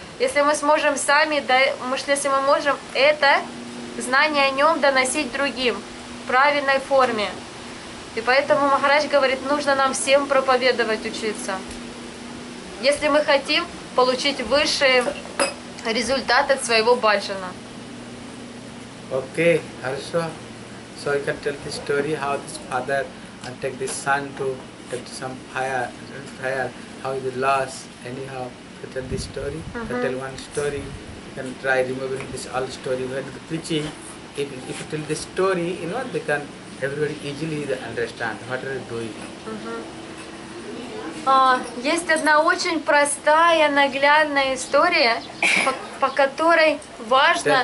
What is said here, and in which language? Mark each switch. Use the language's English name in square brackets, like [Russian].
[Russian] Если мы сможем сами, да, если мы можем это знание о нем доносить другим в правильной форме. И поэтому Махарадж говорит, нужно нам всем проповедовать, учиться. Если мы хотим получить высшие результаты от своего баджана. Окей, хорошо. [English] So I can tell the story how this father and take this son to get some fire, how he lost. Anyhow, I tell this story. Uh-huh. I tell one story. You can try removing this all story when the preaching. If you tell this story, you know, they can everybody easily understand what are you doing. Uh-huh. [Russian] Есть одна очень простая, наглядная история, по которой важно.